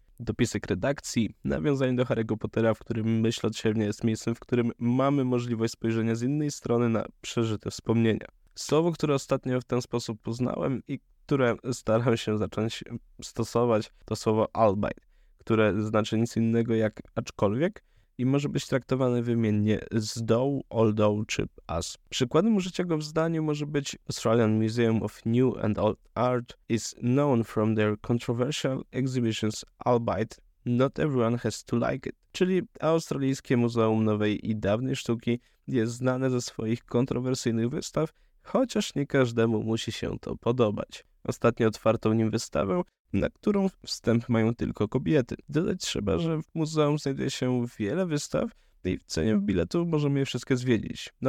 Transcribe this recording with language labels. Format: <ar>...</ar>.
<pl>Dopisek redakcji, nawiązanie do Harry'ego Pottera, w którym myślodziewnia jest miejscem, w którym mamy możliwość spojrzenia z innej strony na przeżyte wspomnienia. Słowo, które ostatnio w ten sposób poznałem i które staram się zacząć stosować, to słowo albeit, które znaczy nic innego jak aczkolwiek i może być traktowane wymiennie z though, although czy as. Przykładem użycia go w zdaniu może być:</pl> <en>Australian Museum of New and Old Art is known from their controversial exhibitions, albeit not everyone has to like it.</en> <pl>Czyli Australijskie Muzeum Nowej i Dawnej Sztuki jest znane ze swoich kontrowersyjnych wystaw, chociaż nie każdemu musi się to podobać. Ostatnio otwarto w nim wystawę, na którą wstęp mają tylko kobiety. Dodać trzeba, że w muzeum znajduje się wiele wystaw i w cenie biletu możemy je wszystkie zwiedzić.</pl>